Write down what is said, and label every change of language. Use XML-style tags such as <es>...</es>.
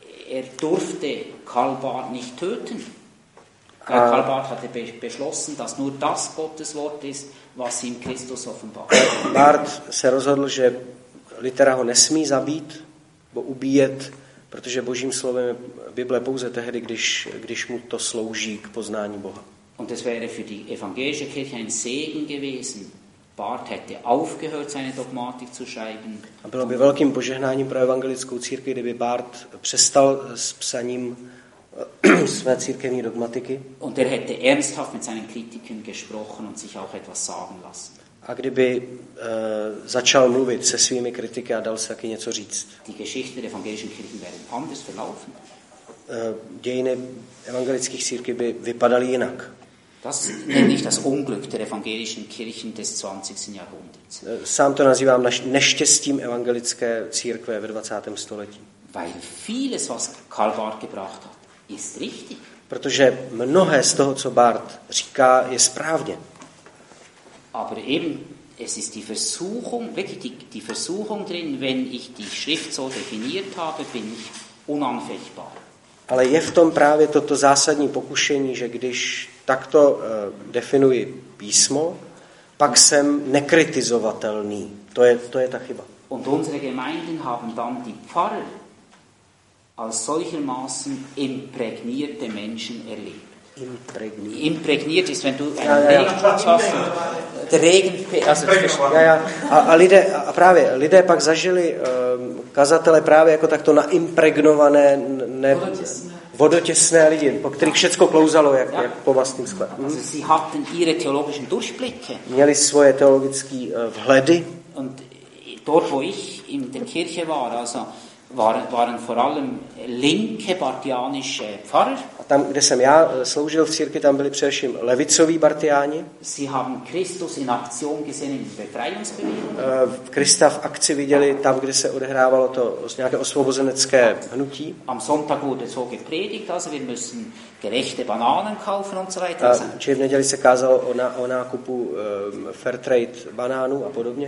<de>Er durfte Karl Barth nicht töten. Karl Barth hatte beschlossen, dass nur das Gottes Wort ist, was ihm Christus offenbart.</de> <cs>Barth se rozhodl, že litera ho nesmí zabít. nebo ubíjet, protože Božím slovem je Bible pouze tehdy, když mu to slouží k poznání Boha.</cs> <de>Und das wäre für die evangelische Kirche ein Segen gewesen. Barth hätte aufgehört seine Dogmatik zu schreiben.</de> <cs>A bylo by velkým požehnáním pro evangelickou církvi, kdyby Barth přestal s psaním své církevní dogmatiky.</cs> <de>Und er hätte ernsthaft mit seinen Kritikern gesprochen und sich auch etwas sagen lassen.</de> <cs>A kdyby začal mluvit se svými kritiky a dal se taky něco říct.</cs> <de>Die Geschichte der evangelischen Kirche wäre anders verlaufen.</de> <cs>Dějiny evangelických církví by vypadaly jinak.</cs> <de>Das nenne ich das Unglück der evangelischen Kirchen des 20. Jahrhunderts.</de> <cs>Sám to nazývám neštěstím evangelické církve ve 20. století.</cs> <de>Weil vieles, was Karl Barth gebracht hat, ist richtig.</de> <cs>Protože mnohé z toho, co Barth říká, je správně.</cs> <de>Aber eben, es ist die Versuchung, wirklich die Versuchung drin, wenn ich die Schrift so definiert habe, bin ich unanfechtbar.</de> <cs>Ale je v tom právě toto zásadní pokušení, že když takto definuji písmo, pak jsem nekritizovatelný. To je ta chyba.</cs> <de>Und unsere Gemeinden haben dann die Pfarrer als solchermaßen imprägnierte Menschen erlebt. Imprägniert ist, wenn du einen</de> <cs>Regen, právě lidé pak zažili kazatele právě jako takto naimpregnované vodotěsné lidi, po kterých všecko klouzalo jak po vlastním skle.</cs> <de>Sie hatten ihre theologischen Durchblicke.</de> <cs>Měli svoje teologické vhledy.</cs> <de>Und dort, wo ich in der Kirche war, also waren vor allem linke bartianische Pfarrer.</de> <cs>A tam, kde jsem já sloužil v církvi, tam byli především levicoví bartiáni.</cs> <de>Sie haben Christus in Aktion gesehen in Befreiungsbewegung.</de> <cs>Krista v akci viděli tam, kde se odehrávalo to nějaké osvobozenecké hnutí.</cs> <de>Am Sonntag wurde so gepredigt, also wir müssen gerechte Bananen kaufen und so weiter.</de> <cs>Čili v neděli se kázalo o nákupu fair trade banánů a podobně.</cs>